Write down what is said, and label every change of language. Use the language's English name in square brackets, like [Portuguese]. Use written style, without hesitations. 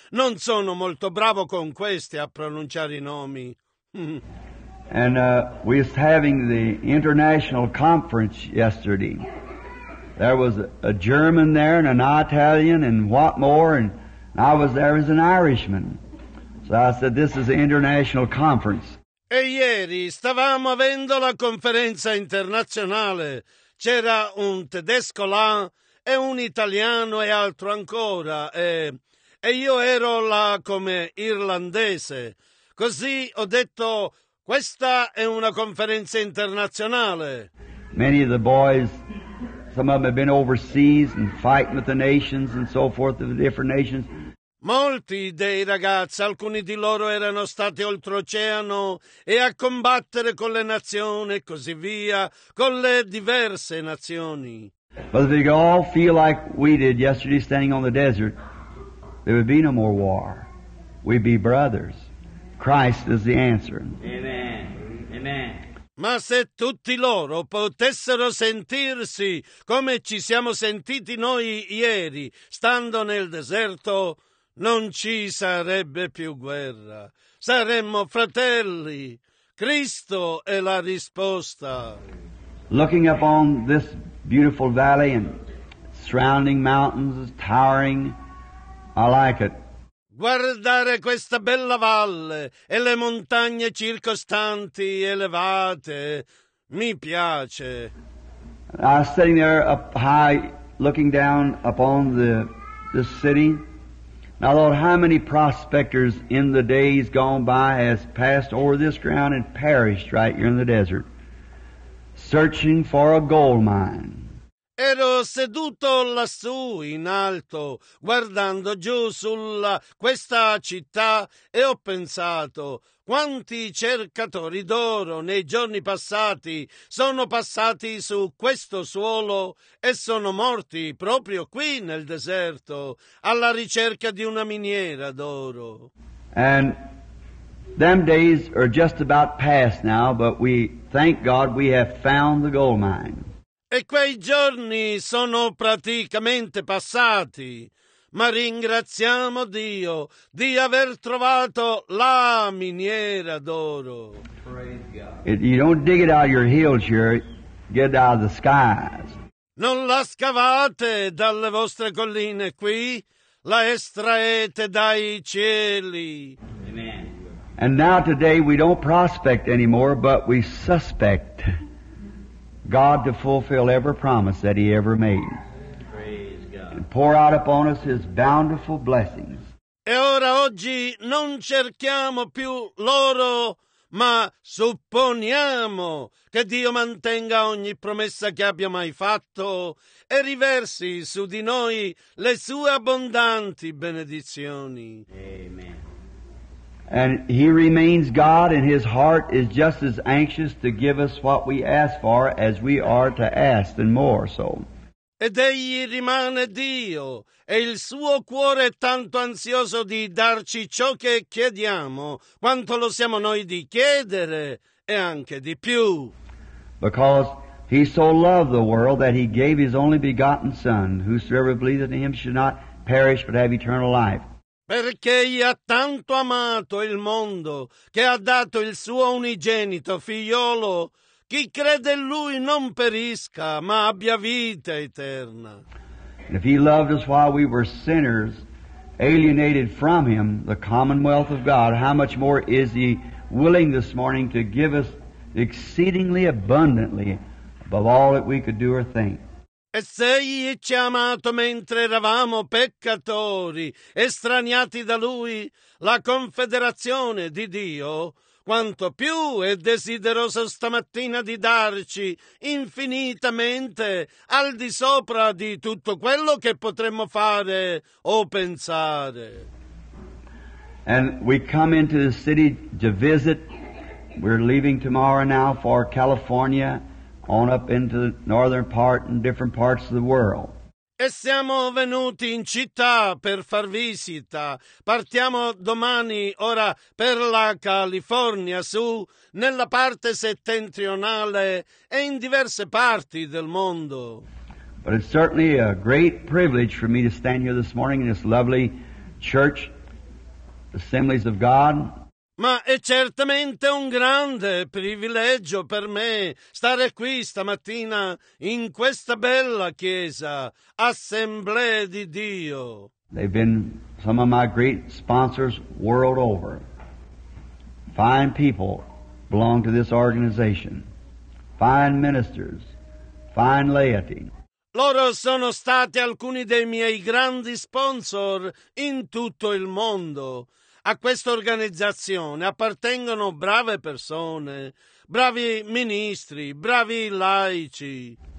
[Italian] Non sono molto bravo con questi a pronunciare i nomi. [English] And we was having the international conference yesterday. There was a German there and an Italian and what more, and I was there as an Irishman. So I said, this is an international conference. [Italian] E ieri stavamo avendo la conferenza internazionale. C'era un tedesco là e un italiano e altro ancora. E io ero là come irlandese. Così ho detto, questa è una conferenza internazionale. [English] Many of the boys, some of them have been overseas and fighting with the nations and so forth of the different nations. [Italian] Molti dei ragazzi, alcuni di loro erano stati oltreoceano e a combattere con le nazioni e così via, con le diverse nazioni. [English] But if they could all feel like we did yesterday standing on the desert, there would be no more war. We'd be brothers. Christ is the answer. Amen. Amen. [Italian] Ma se tutti loro potessero sentirsi come ci siamo sentiti noi ieri, stando nel deserto, non ci sarebbe più guerra. Saremmo fratelli. Cristo è la risposta. [English] Looking upon this beautiful valley and surrounding mountains, towering, I like it. [Italian] Guardare questa bella valle e le montagne circostanti, elevate, mi piace. [English] I was sitting there up high, looking down upon the city. Now, Lord, how many prospectors in the days gone by has passed over this ground and perished right here in the desert, searching for a gold mine? [Italian] Ero seduto lassù in alto, guardando giù sulla questa città, e ho pensato, quanti cercatori d'oro nei giorni passati sono passati su questo suolo e sono morti proprio qui nel deserto, alla ricerca di una miniera d'oro. [English] And them days are just about past now, but we thank God we have found the gold mine. [Italian] E quei giorni sono praticamente passati, ma ringraziamo Dio di aver trovato la miniera d'oro. [English] You don't dig it out of your heels here, get it out of the skies. [Italian] Non la scavate dalle vostre colline qui, la estraete dai cieli. [English] Amen. And now today we don't prospect anymore, but we suspect God to fulfill every promise that he ever made. Praise God. And pour out upon us his bountiful blessings. [Italian] E ora oggi non cerchiamo più l'oro, ma supponiamo che Dio mantenga ogni promessa che abbia mai fatto e riversi su di noi le sue abbondanti benedizioni. [English] Amen. And he remains God, and his heart is just as anxious to give us what we ask for as we are to ask, and more so. [Italian] Ed egli rimane Dio, e il suo cuore è tanto ansioso di darci ciò che chiediamo, quanto lo siamo noi di chiedere, e anche di più. [English] Because he so loved the world that he gave his only begotten Son, whosoever believeth in him should not perish but have eternal life. [Italian] Perché egli ha tanto amato il mondo che ha dato il suo unigenito figliolo, chi crede in lui non perisca ma abbia vita eterna. [English] If he loved us while we were sinners, alienated from him, the commonwealth of God, how much more is he willing this morning to give us exceedingly abundantly above all that we could do or think. [Italian] E se egli ci ha amato mentre eravamo peccatori, estraniati da lui, la confederazione di Dio, quanto più è desideroso stamattina di darci infinitamente al di sopra di tutto quello che potremmo fare o pensare. [English] And we come into the city to visit. We're leaving tomorrow now for California, on up into the northern part and different parts of the world. [Italian] E siamo venuti in città per far visita. Partiamo domani ora per la California su, nella parte settentrionale e in diverse parti del mondo. [English] But it's certainly a great privilege for me to stand here this morning in this lovely church, Assemblies of God. [Italian] Ma è certamente un grande privilegio per me stare qui stamattina in questa bella chiesa, Assemblee di Dio. [English] They've been some of my great sponsors world over. Fine people belong to this organization. Fine ministers, fine laity. [Italian] Loro sono stati alcuni dei miei grandi sponsor in tutto il mondo. A questa organizzazione appartengono brave persone, bravi ministri, bravi laici.